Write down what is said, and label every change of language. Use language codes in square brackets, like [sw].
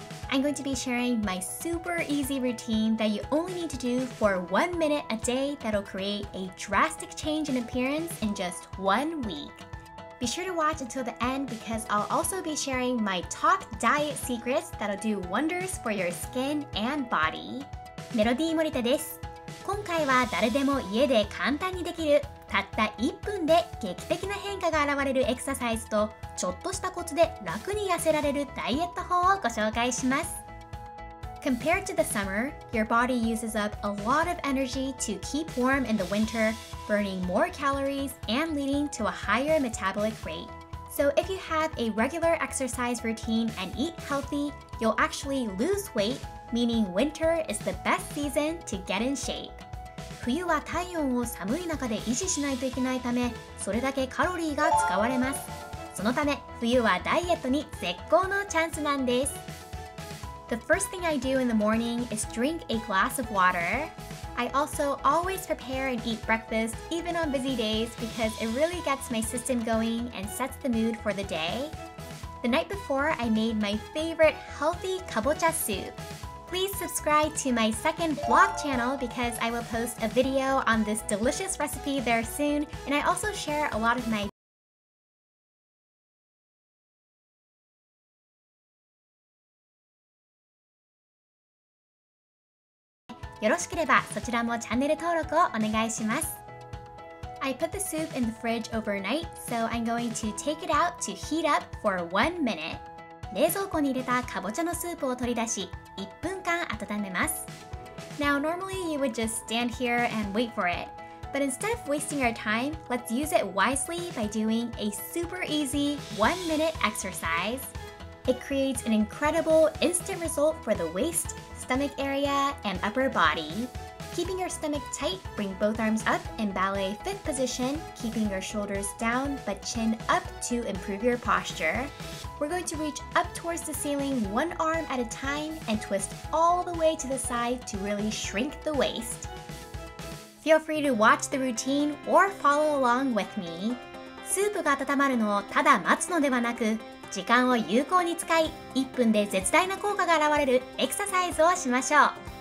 [en] I'm going to be sharing my super easy routine that you only need to do for 1 minute a day that'll create a drastic change in appearance in just 1 week. Be sure to watch until the end because I'll also be sharing my top diet secrets that'll do wonders for your skin and body. [ja] Melodee Morita です。今回は誰でも家で簡単にできるたった1分で劇的な変化が現れるエクササイズとちょっとしたコツで楽に痩せられるダイエット法をご紹介します。 [en] Compared to the summer, your body uses up a lot of energy to keep warm in the winter, burning more calories and leading to a higher metabolic rate. So if you have a regular exercise routine and eat healthy, you'll actually lose weight, meaning winter is the best season to get in shape. [ja] 冬は体温を寒い中で維持しないといけないため、それだけカロリーが使われます。そのため、冬はダイエットに絶好のチャンスなんです。 [en] The first thing I do in the morning is drink a glass of water. I also always prepare and eat breakfast even on busy days because it really gets my system going and sets the mood for the day. The night before, I made my favorite healthy kabocha soup. Please subscribe to my second vlog channel because I will post a video on this delicious recipe there soon, and I also share a lot of my [ja] よろしければそちらもチャンネル登録をお願いします。 [en] I put the soup in the fridge overnight, so I'm going to take it out to heat up for 1 minute. [ja] 冷蔵庫に入れたかぼちゃのスープを取り出し、1分間温めます。 [en] Now, normally you would just stand here and wait for it. But instead of wasting our time, let's use it wisely by doing a super easy 1 minute exercise. It creates an incredible instant result for the waist, stomach area, and upper body. Keeping your stomach tight, bring both arms up in ballet fifth position, keeping your shoulders down but chin up to improve your posture. We're going to reach up towards the ceiling one arm at a time and twist all the way to the side to really shrink the waist. Feel free to watch the routine or follow along with me. [ja] スープが温まるのをただ待つのではなく、時間を有効に使い、1分で絶大な効果が現れるエクササイズをしましょう。